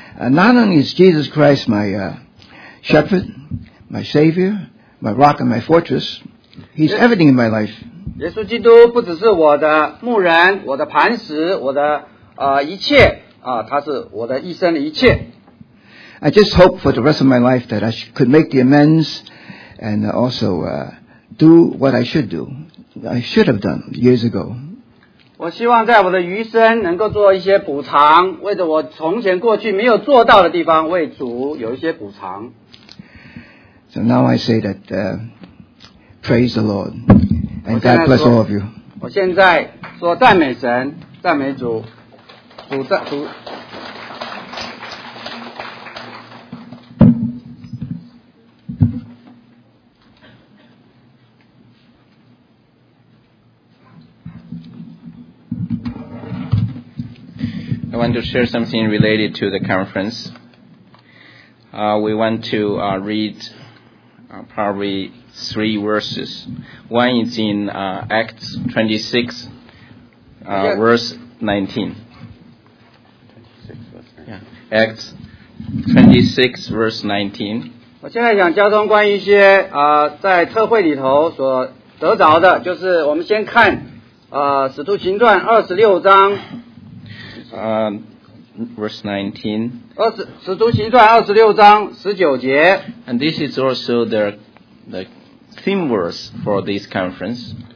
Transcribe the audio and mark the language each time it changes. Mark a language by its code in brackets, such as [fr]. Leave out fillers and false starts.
[en] Not only is Jesus Christ my shepherd, my savior, my rock and my fortress, he's everything in my life. [zh] 耶稣基督不只是我的牧人，我的磐石，我的一切，他是我的一生的一切。 [en] I just hope for the rest of my life that I could make the amends and also do what I should do. I should have done years ago. [zh] 我希望在我的余生能够做一些补偿, 为着我从前过去没有做到的地方, 为主有一些补偿。 [en] So now I say that praise the Lord and God bless all of you. [zh] 我现在说赞美神, 赞美主, 主, [en] I want to share something related to the conference. We want to read probably three verses. One is in Acts 26, verse 19. Acts 26, verse 19. [zh] 我现在想交通关于一些, 在特会里头所得着的, 就是我们先看, 使徒行传 26章, [en] Verse 19. And this is also the theme verse for this conference.